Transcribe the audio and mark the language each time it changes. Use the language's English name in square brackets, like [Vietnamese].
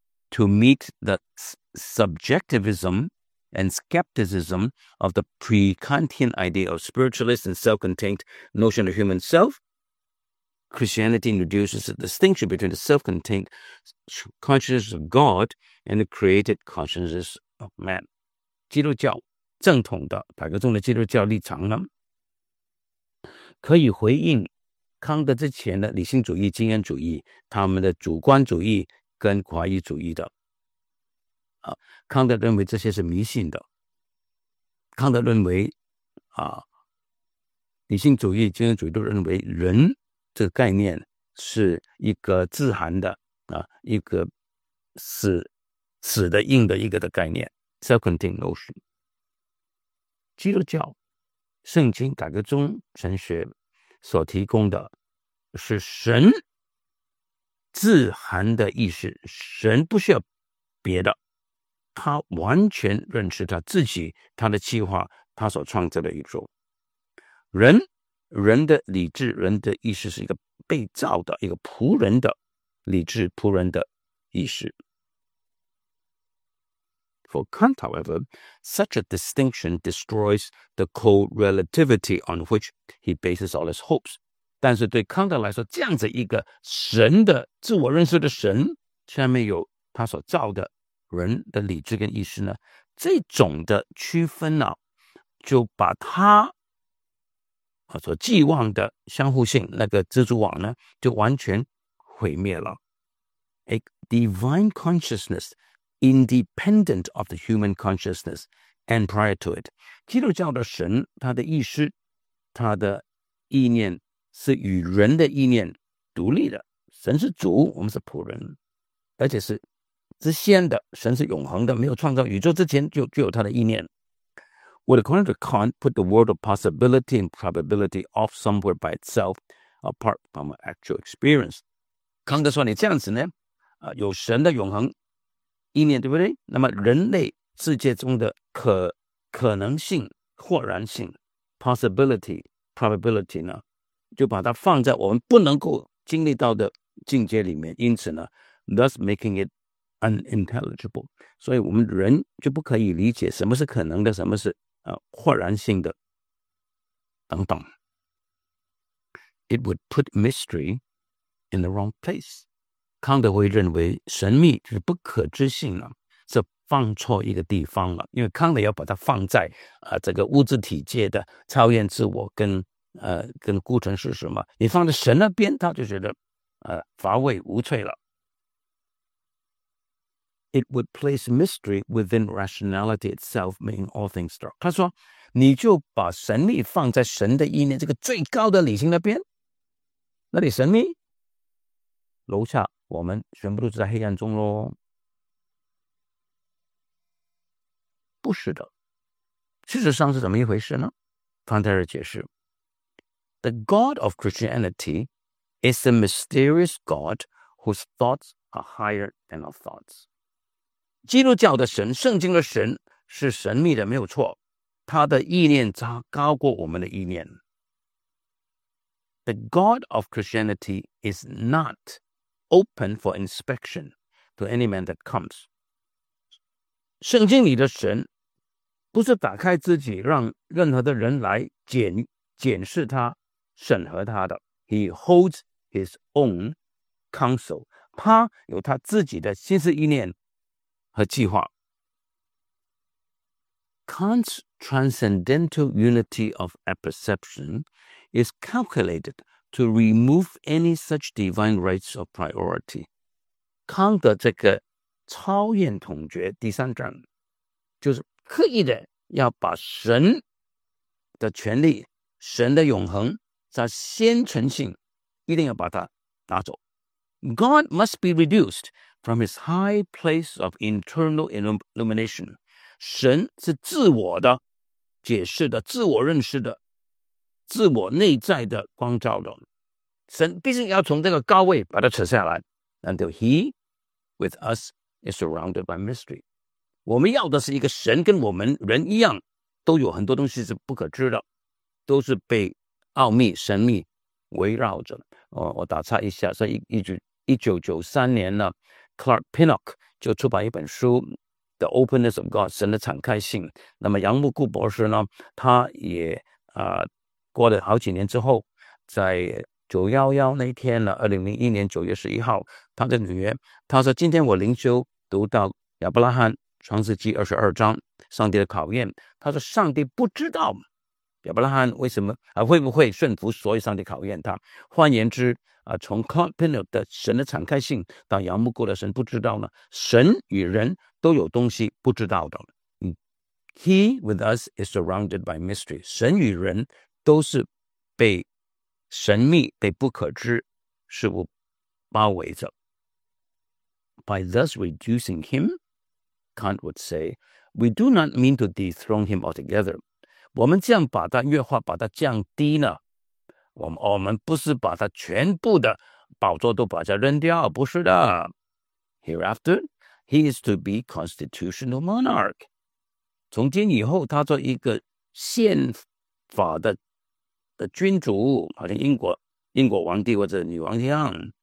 [English] To meet the subjectivism and skepticism of the pre-Kantian idea of spiritualist and self-contained notion of human self, Christianity introduces a distinction between the self-contained consciousness of God and the created consciousness of man. [Chinese] 基督教正统的改革中的基督教立场呢，可以回应康德之前的理性主义、经验主义、他们的主观主义跟怀疑主义的。康德认为这些是迷信的。康德认为理性主义、经验主义都认为人这个概念是一个自含的一个死的硬的一个的概念 [English] self-contained notion。 [Chinese] 基督教圣经改革中神学所提供的是神自含的意识，神不需要别的，他完全认识他自己，他的计划，他所创造的宇宙。人的理智，人的意识是一个被造的，一个仆人的理智，仆人的意识。 [English] For Kant, however, such a distinction destroys the co-relativity on which he bases all his hopes. [Chinese] 但是对康德来说，这样子一个神的自我认识的神，下面有他所造的人的理智跟意识呢，这种的区分呢，就把他所寄望的相互性那个蜘蛛网呢，就完全毁灭了。 [English] A divine consciousness independent of the human consciousness and prior to it. [Chinese] 基督教的神，他的意识，他的意念是与人的意念独立的。神是主，我们是仆人，而且是之先的，神是永恒的，没有创造宇宙之前就有他的意念。 [English] Would according to Kant put the world of possibility and probability off somewhere by itself, apart from actual experience? [Chinese] 康德说你这样子呢，有神的永恒意念，对不对？那么人类世界中的可能性、豁然性 [English] ，possibility, probability [Chinese] 呢，就把它放在我们不能够经历到的境界里面，因此呢 [English] ，thus making it unintelligible. [Chinese] 所以我们人就不可以理解什么是可能的，什么是豁然性的等等。 [English] It would put mystery in the wrong place. [Chinese] 康德会认为神秘就是不可知性了，是放错一个地方了，因为康德要把它放在这个物质体界的超验自我跟固存事实嘛，你放在神那边，他就觉得乏味无趣了。 [English] It would place mystery within rationality itself, making all things dark. [Chinese] 他说，你就把神秘放在神的意念这个最高的理性那边，那里神秘，楼下我们全部都是在黑暗中咯。不是的，事实上是怎么一回事呢？康德解释 [English] ，The God of Christianity is a mysterious God whose thoughts are higher than our thoughts. [Chinese] 基督教的神，圣经的神是神秘的，没有错，他的意念高过我们的意念。 [English] The God of Christianity is not open for inspection to any man that comes. [Chinese] 圣经里的神不是打开自己让任何的人来检视他，审核他的。 [English] He holds his own counsel. [Chinese] 他有他自己的心思意念和计划。 [English] Kant's transcendental unity of apperception is calculated to remove any such divine rights of priority. [Chinese] 康德这个超验统觉第三章，就是刻意的要把神的权利、神的永恒在先存性，一定要把它拿走。 [English] God must be reduced. From his high place of internal illumination, [Chinese] 神是自我的解释的、自我认识的、自我内在的光照的。神毕竟要从这个高位把它扯下来。 [English] Until he, with us, is surrounded by mystery. [Chinese] 我们要的是一个神跟我们人一样，都有很多东西是不可知的，都是被奥秘、神秘围绕着。我打岔一下，所以1993年呢。 Clark Pinnock 就出版一本书 The Openness of God 神的敞开性，那么杨慕固博士呢，他也过了好几年之后在 911那一天呢，2001年9月11号，他的女儿，他说今天我灵修读到亚伯拉罕创世纪22章，上帝的考验。他说上帝不知道亚伯拉罕为什么会不会顺服，所以上帝考验他。换言之从 Covenant 的神的敞开性到仰慕过的神不知道呢，神与人都有东西不知道的。 [English] He with us is surrounded by mystery. [Chinese] 神与人都是被神秘、被不可知事物包围着。 [English] By thus reducing him, Kant would say, we do not mean to dethrone him altogether. [Chinese] 我们这样把它越化、把它降低呢，我们不是把它全部的宝座都把它扔掉，不是的。 [English] Hereafter, he is to be constitutional monarch. [Chinese] 从今以后，他做一个宪法 的君主，好像英国王帝或者女王一样。